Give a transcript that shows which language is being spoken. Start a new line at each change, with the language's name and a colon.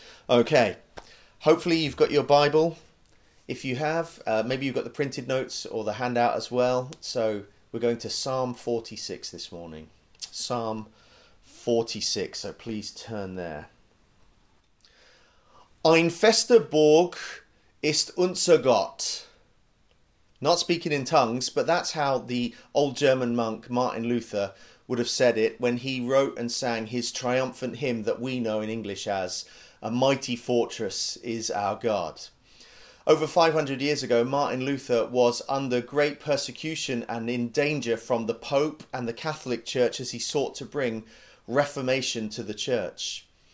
English: Okay, hopefully you've got your Bible. If you have, maybe you've got the printed notes or the handout as well. So we're going to Psalm 46 this morning. Psalm 46, so please turn there.
German: Ein feste Burg ist unser Gott.
English: Not speaking in tongues, but that's how the old German monk Martin Luther would have said it when he wrote and sang his triumphant hymn that we know in English as A Mighty Fortress is Our God. Over 500 years ago, Martin Luther was under great persecution and in danger from the Pope and the Catholic Church as he sought to bring Reformation to the Church.